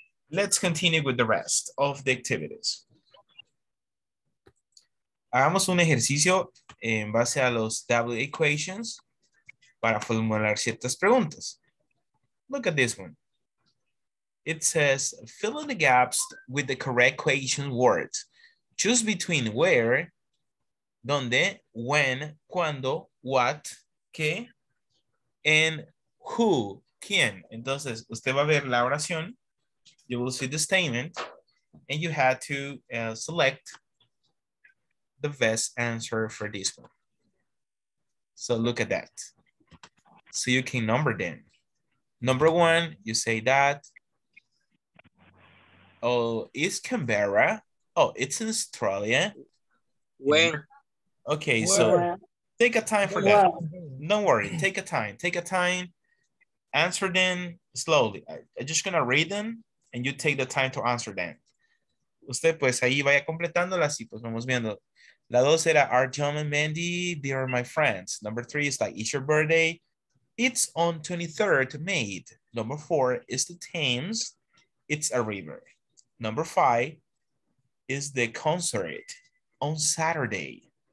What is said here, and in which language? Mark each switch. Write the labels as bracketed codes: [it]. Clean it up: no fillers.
[en] Let's continue with the rest of the activities. [es] Hagamos un ejercicio en base a los W equations para formular ciertas preguntas. [en] Look at this one. It says, fill in the gaps with the correct question words. Choose between where, donde, when, cuando, what, qué, and who, quién. [es] Entonces, usted va a ver la oración. [en] You will see the statement, and you had to select the best answer for this one. So look at that. So you can number them. Number one, you say that. Oh, it's Canberra. Oh, it's in Australia. Where? Okay, where? So take a time for where? That. Don't worry, take a time. Answer them slowly. I'm just gonna read them. And you take the time to answer them. [es] Usted, pues, ahí vaya completándolas y pues vamos viendo. La dos era, [en] are John and Mandy, they are my friends. Number three is like, it's your birthday. It's on 23rd May. Number four is the Thames. It's a river. Number five is the concert on Saturday.